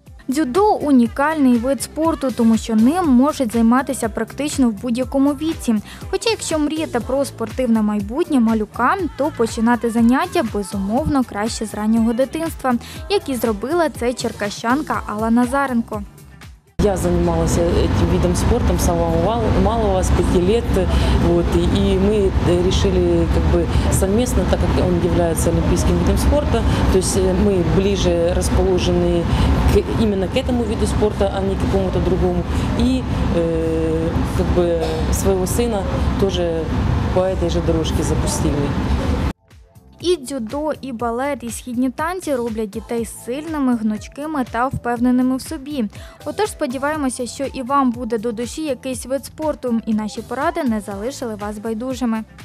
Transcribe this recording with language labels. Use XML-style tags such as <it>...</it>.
<uk>Дзюдо – унікальний вид спорту, тому що ним можуть займатися практично в будь-якому віці. Хоча якщо мріяти про спортивне майбутнє малюкам, то починати заняття безумовно краще з раннього дитинства, як і зробила це черкащанка Алла Назаренко.</uk> <ru>Я занималась этим видом спорта с самого малого, с 5 лет. Вот, и мы решили как бы совместно, так как он является олимпийским видом спорта, то есть мы ближе расположены именно к этому виду спорта, а не к какому-то другому. И как бы своего сына тоже по этой же дорожке запустили.</ru> <uk>І дзюдо, і балет, і східні танці роблять дітей сильними, гнучкими та впевненими в собі. Отож, сподіваємося, що і вам буде до душі якийсь вид спорту, і наші поради не залишили вас байдужими.</uk>